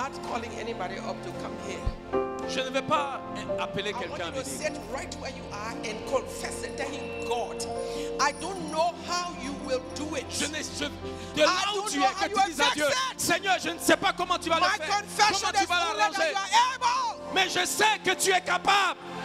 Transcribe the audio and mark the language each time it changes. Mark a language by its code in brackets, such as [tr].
[en] Calling anybody up to come here. [fr] Je ne vais pas appeler quelqu'un. [en] I want you to sit right where you are and confess and tell him, God, I don't know how you will do it. [fr] De là où tu es, que tu dises à Dieu, Seigneur, je ne sais pas comment tu vas le faire, comment tu vas l'arranger, mais je sais que tu es capable.